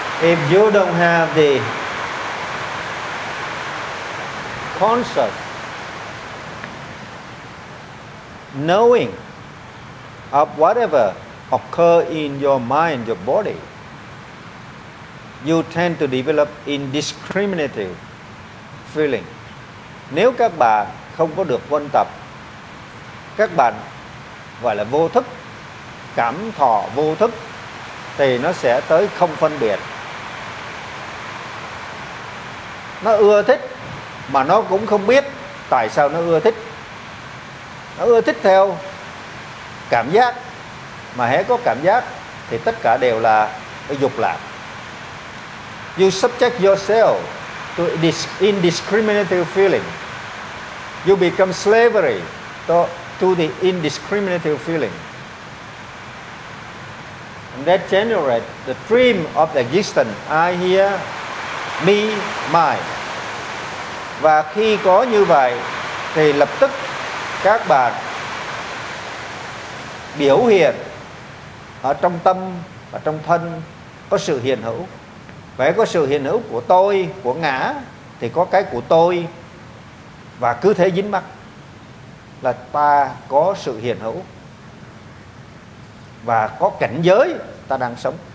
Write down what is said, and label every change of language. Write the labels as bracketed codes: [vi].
[en] if you don't have the conscious knowing of whatever occurs in your mind, your body, you tend to develop indiscriminate feeling. [vi] Nếu các bạn không có được huân tập, các bạn gọi là vô thức, cảm thọ vô thức, thì nó sẽ tới không phân biệt. Nó ưa thích mà nó cũng không biết tại sao nó ưa thích. Nó ưa thích theo cảm giác, mà hễ có cảm giác thì tất cả đều là dục lạc. [en] You subject yourself to indiscriminate feeling. You become slavery to the indiscriminate feeling. And that generates the dream of the existence, I here, me, mine. [vi] Và khi có như vậy thì lập tức các bạn biểu hiện ở trong tâm và trong thân có sự hiện hữu. Phải có sự hiện hữu của tôi, của ngã, thì có cái của tôi, và cứ thế dính mắc là ta có sự hiện hữu và có cảnh giới ta đang sống.